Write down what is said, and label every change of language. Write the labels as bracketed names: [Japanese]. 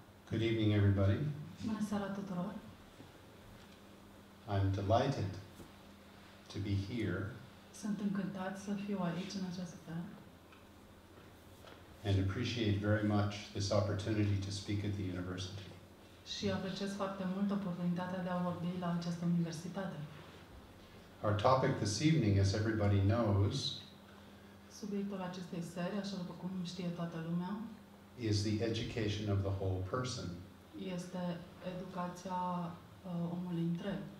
[English] Good evening, everybody. [Romanian] Bună seara tuturor! [English] I'm delighted to be here. [Romanian] Sunt încântat să fiu aici în această seară. [English] And appreciate very much this opportunity to speak at the university. [Romanian] Și apreciez foarte mult oportunitatea de a vorbi la această universitate. [English] Our topic this evening, as everybody knows, [Romanian] subiectul acestei seri, așa după cum știe toată lumea, [English] is the education of the whole person. [Romanian] Este educația omului întreg.